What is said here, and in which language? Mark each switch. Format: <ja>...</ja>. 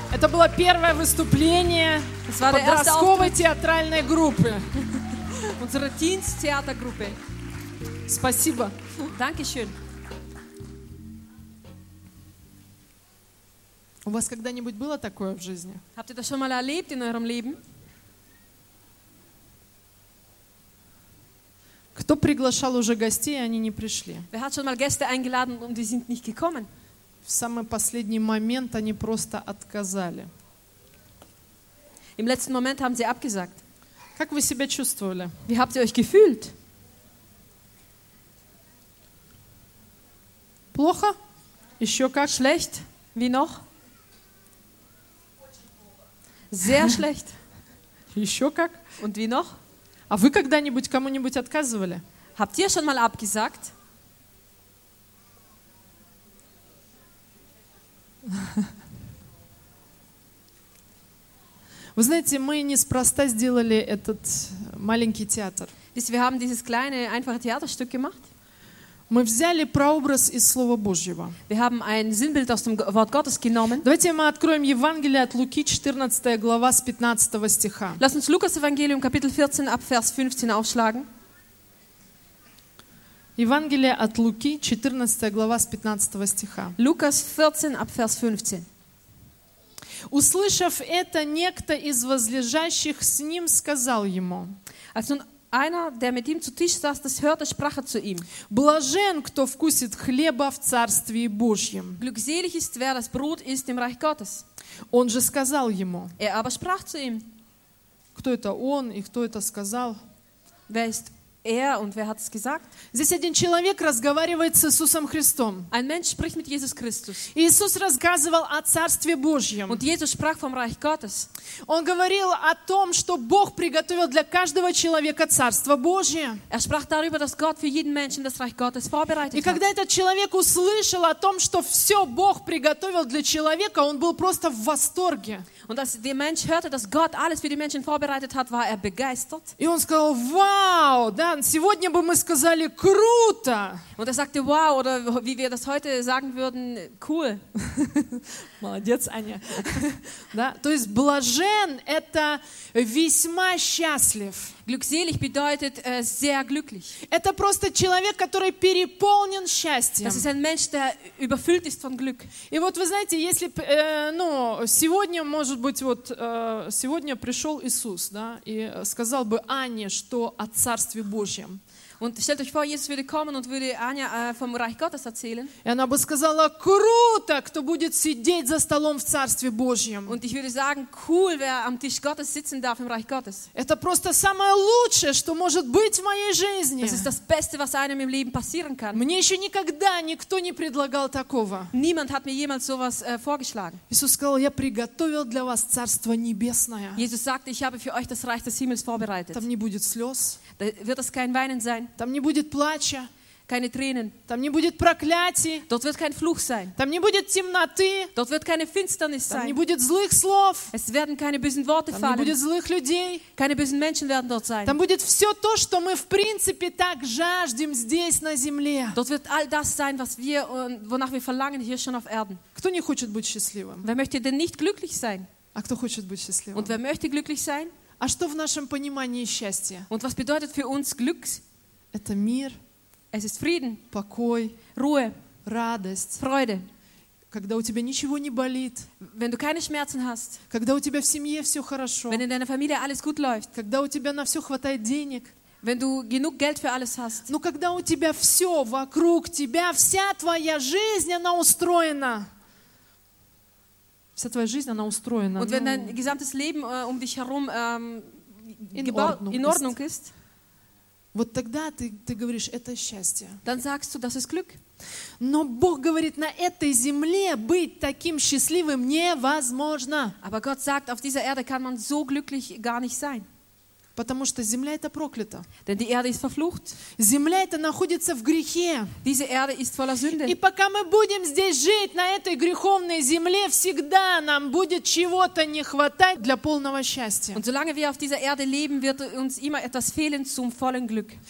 <ru>Это было первое выступление подростковой театральной группы.</ru> <de>Unsere Teenstheatergruppe.</de> <ru>Спасибо.</ru> <de>Dankeschön.</de> <ru>У вас когда-нибудь было такое в жизни?</ru> <de>Habt ihr das schon mal erlebt in eurem Leben?</de> <ru>Кто приглашал уже гостей, и они не пришли?</ru> <de>Wer hat schon mal Gäste eingeladen und die sind nicht gekommen?</de> <ru>В самый последний момент они просто отказали.</ru> <de>Im letzten Moment haben sie abgesagt.</de> <ru>Как вы себя чувствовали?</ru> <de>Wie habt ihr euch gefühlt?</de> <ru>Плохо? Еще как?</ru> <de>Schlecht? Wie noch? Sehr schlecht.</de> <ru>Еще как?</ru> <de>Und wie noch?</de> <ru>А вы когда-нибудь кому-нибудь отказывали?</ru> <de>Habt ihr schon mal abgesagt?</de> <ru>Вы знаете, мы неспроста сделали этот маленький театр.</ru> <de>Wisst ihr, wir haben dieses kleine, einfache Theaterstück gemacht.</de> <ru>Мы взяли прообраз из Слова Божьего.</ru> <de>Wir haben ein Sinnbild aus dem Wort Gottes genommen.</de> <ru>Давайте мы откроем Евангелие от Луки, 14 глава, с 15 стиха.</ru> <de>Lass uns Lukas Evangelium, Kapitel 14, ab Vers 15 aufschlagen.</de> <ru>Евангелие от Луки, 14 глава, с 15 стиха.</ru> <de>Lukas 14, ab Vers 15.</de> <ru>Услышав это, некто из возлежащих с ним сказал ему.</ru> <de>Einer, der mit ihm zu Tisch saß, das hörte, sprach er zu ihm.</de> <ru>Блажен, кто вкусит хлеба в Царстве Божьем.</ru> <de>Glückselig ist, wer das Brot isst im Reich Gottes.</de> <ru>Он же сказал ему.</ru> <de>Er aber sprach zu ihm.</de> <ru>Кто это он и кто это сказал?</ru> <de>Wer ist er und wer hat es gesagt?</de> <ru>Здесь один человек разговаривает с Иисусом Христом.</ru> <de>Ein Mensch spricht mit Jesus Christus.</de> <ru>Иисус рассказывал о Царстве Божьем.</ru> <de>Und Jesus sprach vom Reich Gottes.</de> <ru>Он говорил о том, что Бог приготовил для каждого человека Царство Божье.</ru> <de>Er sprach darüber, dass Gott für jeden Menschen das Reich Gottes vorbereitet hat.</de> <ru>И когда этот человек услышал о том, что все Бог приготовил для человека, он был просто в восторге.</ru> <de>Und als der Mensch hörte, dass Gott alles für die Menschen vorbereitet hat, war er begeistert.</de> <ru>И он сказал: "Вау!"</ru> <de>Dann,</de> <ru>сегодня бы мы сказали круто.</ru> <de>Und er sagte wow oder wie wir das heute sagen würden cool.</de> <ru>Молодец, Аня. Да, то есть блажен это весьма счастлив.</ru> <de>Glückselig bedeutet sehr glücklich.</de> <ru>Это просто человек, который переполнен счастьем.</ru> <de>Das ist ein Mensch, der überfüllt ist von Glück.</de> <ru>И вот вы знаете, если ну сегодня может быть вот сегодня пришел Иисус, да, и сказал бы Ане, что о Царстве Божьем.</ru> <de>Und stellt euch vor, Jesus würde kommen und würde Anja vom Reich Gottes erzählen.</de> <ru>И она бы сказала: "Круто, кто будет сидеть за столом в Царстве Божьем?"</ru> <de>Und ich würde sagen: "Cool, wer am Tisch Gottes sitzen darf im Reich Gottes."</de> <ru>Это просто самое лучшее, что может быть в моей жизни.</ru> <de>Das ist das Beste, was einem im Leben passieren kann.</de> <ru>Мне еще никогда никто не предлагал такого.</ru> <de>Niemand hat mir jemals sowas vorgeschlagen.</de> <ru>Иисус сказал: "Я приготовил для вас Царство Небесное."</ru> <de>Jesus sagte: "Ich habe für euch das Reich des Himmels vorbereitet."</de> <ru>Там не будет слез.</ru> <de>Da wird es kein Weinen sein.</de> <ru>Там не будет плача.</ru> <de>Keine Tränen.</de> <ru>Там не будет проклятий.</ru> <de>Dort wird kein Fluch sein.</de> <ru>Там не будет темноты.</ru> <de>Dort wird keine Finsternis</de> <ru>Там</ru> <de>sein.</de> <ru>Не будет злых слов.</ru> <de>Es werden keine bösen Worte</de> <ru>Там</ru> <de>fallen.</de> <ru>Не будет злых людей.</ru> <de>Keine bösen Menschen werden dort sein.</de> <ru>Там будет все то, что мы в принципе так жаждем здесь на земле.</ru> <de>Dort wird all das sein, was wir, wonach wir verlangen hier schon auf Erden.</de> <ru>Кто не хочет быть счастливым?</ru> <de>Wer möchte denn nicht glücklich sein?</de> <ru>А кто хочет быть счастливым?</ru> <de>Und wer möchte glücklich sein?</de> <ru>А что в нашем понимании счастья?</ru> <de>Und was bedeutet für uns Glück?</de> <ru>Это мир.</ru> <de>Es ist Frieden.</de> <ru>Покой.</ru> <de>Ruhe.</de> <ru>Радость.</ru> <de>Freude.</de> <ru>Когда у тебя ничего не болит.</ru> <de>Wenn du keine Schmerzen hast.</de> <ru>Когда у тебя в семье все хорошо.</ru> <de>Wenn in deiner Familie alles gut läuft.</de> <ru>Когда у тебя на все хватает денег.</ru> <de>Wenn du genug Geld für alles hast.</de> <ru>Но когда у тебя все вокруг тебя, вся твоя жизнь, она устроена. Вся твоя жизнь, она устроена.</ru> <de>Und wenn dein gesamtes Leben dich herum in Ordnung ist.</de> <ru>Вот тогда ты говоришь, это счастье.</ru> <de>Dann sagst du, das ist Glück.</de> <ru>Но Бог говорит, на этой земле быть таким счастливым невозможно.</ru> <de>Aber Gott sagt, auf dieser Erde kann man so glücklich gar nicht sein.</de> <ru>Потому что земля это проклята.</ru> <de>Denn die Erde ist verflucht.</de> <ru>Земля это находится в грехе.</ru> <de>Diese Erde ist voller Sünde.</de> <ru>И пока мы будем здесь жить, на этой греховной земле, всегда нам будет чего-то не хватать для полного счастья.</ru> <de>Und solange wir auf dieser Erde leben, wird uns immer etwas fehlen zum vollen Glück.</de>